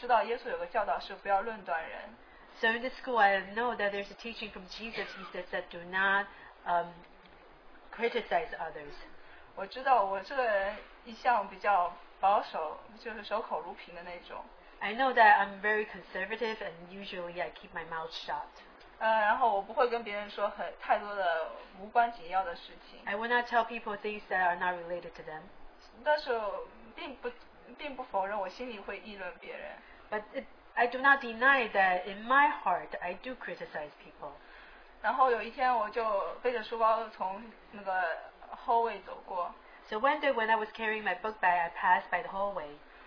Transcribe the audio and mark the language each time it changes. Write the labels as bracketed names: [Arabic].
[Chinese] 在这个学校里面的时候，我知道耶稣有个教导是不要论断人。 [English] So in this school, I know that there's a teaching from Jesus. He says that do not criticize others. [Chinese] 我知道我这个人一向比较保守，就是守口如瓶的那种。 [English] I know that I'm very conservative, and usually I keep my mouth shut. [Chinese] 然后我不会跟别人说太多的无关紧要的事情。 [English] I will not tell people things that are not related to them. [Chinese] 但是并不否认我心里会议论别人。 [English] But I do not deny that in my heart I do criticize people. [Chinese] 然后有一天我就背着书包从那个hallway走过。 [English] So one day when I was carrying my book bag, I passed by the hallway.